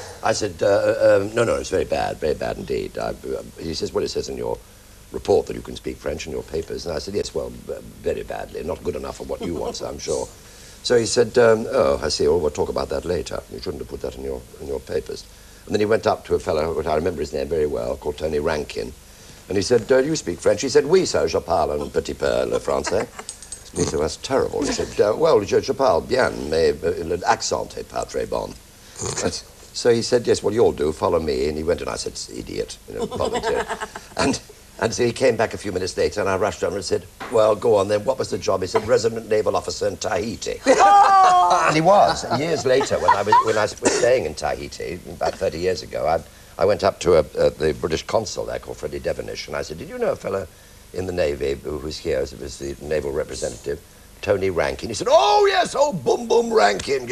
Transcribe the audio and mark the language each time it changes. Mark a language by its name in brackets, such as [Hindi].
[English] I said, no, it's very bad indeed. He says, well, it says in your report that you can speak French in your papers. And I said, yes, well, very badly, not good enough for what you want, I'm sure. So he said, I see, well, we'll talk about that later. You shouldn't have put that in your papers. And then he went up to a fellow, which I remember his name very well, called Tony Rankin, and he said, do you speak French? He said, oui, sir, [French] je parle un petit peu le français. [English] And he said, that's terrible. He said, well, [French] je parle bien, mais l'accent est pas très bon. [English] So he said, yes, well, you'll do, follow me. And he went, and I said, idiot, you know, volunteer. And so he came back a few minutes later, and I rushed over and said, well, go on then, what was the job? He said, resident naval officer in Tahiti. Oh! And he was. Years later, when I was staying in Tahiti, about 30 years ago, I went up to the British consul there called Freddie Devenish, and I said, did you know a fellow in the Navy who was here, who was the naval representative, Tony Rankin? He said, oh, yes, oh, boom, boom, Rankin.